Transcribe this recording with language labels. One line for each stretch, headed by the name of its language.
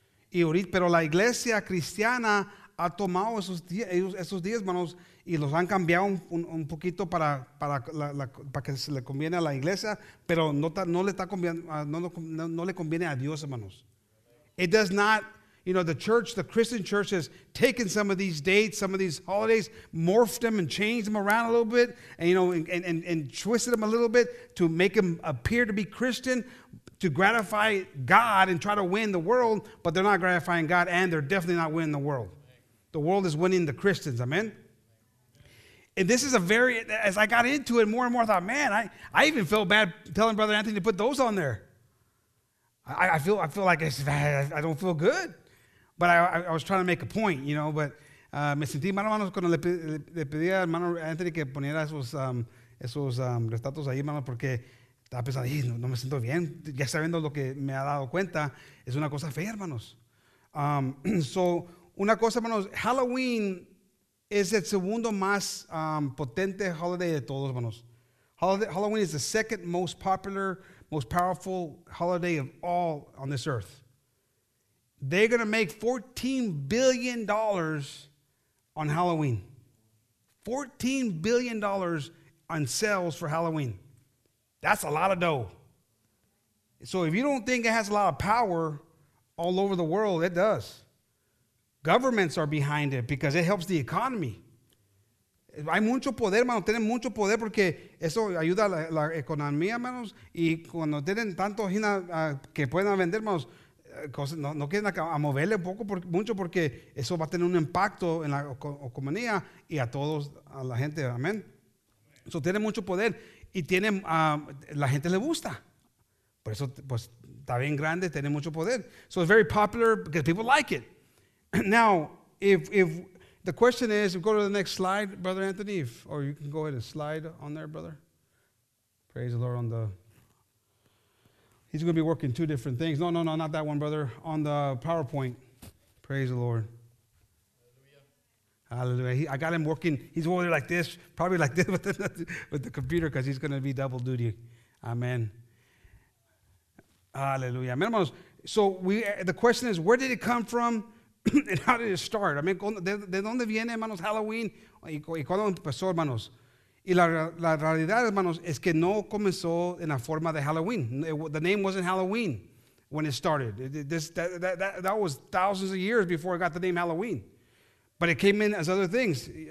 Spanish: Y ahorita, pero la iglesia cristiana ha tomado esos días, hermanos, y los han cambiado un poquito para que se le conviene a la iglesia, pero no le conviene a Dios, hermanos.
English: It does not, you know, the church, the Christian church has taken some of these dates, some of these holidays, morphed them and changed them around a little bit, and, you know, and twisted them a little bit to make them appear to be Christian. to gratify God and try to win the world, but they're not gratifying God, and they're definitely not winning the world. The world is winning the Christians, amen? And this is a very, as I got into it more and more, I thought, man, I even feel bad telling Brother Anthony to put those on there. I feel like I don't feel good. But I was trying to make a point, you know, but
Spanish: me sentí mal, hermanos, cuando le pedí a hermano Anthony que poniera esos retratos ahí, hermanos, porque estaba pensando, no me siento bien, ya sabiendo lo que me ha dado cuenta, es una cosa fea, hermanos. So, una cosa, hermanos, Halloween es el segundo más potente holiday de todos, hermanos.
English: Halloween is the second most popular, most powerful holiday of all on this earth. They're going to make $14 billion on Halloween. $14 billion on sales for Halloween. That's a lot of dough. So if you don't think it has a lot of power all over the world, it does. Governments are behind it because it helps the economy.
Spanish: Hay mucho poder, hermano. Tienen mucho poder porque eso ayuda a la economía, hermanos. Y cuando tienen tanto gina que pueden vender, hermanos, cosas, no quieren a moverle un poco, mucho, porque eso va a tener un impacto en la economía y a todos, a la gente, amén. Eso tiene mucho poder y tiene, la gente le gusta. Por eso, pues, está bien grande, tiene mucho poder.
English: So it's very popular because people like it. Now, if the question is, if go to the next slide, Brother Anthony, or you can go ahead and slide on there, brother. Praise the Lord on the... He's going to be working two different things. No, not that one, brother. On the PowerPoint. Praise the Lord. Hallelujah. I got him working. He's over there like this, probably like this with the computer, because he's going to be double duty. Amen. Hallelujah. Hermanos, so the question is, where did it come from and how did it start? I mean,
Spanish: ¿de dónde viene, hermanos, Halloween? ¿Y cuándo empezó, hermanos? Y la realidad, hermanos, es que no comenzó en la forma de Halloween.
English: The name wasn't Halloween when it started. That was thousands of years before it got the name Halloween. But it came in as other things.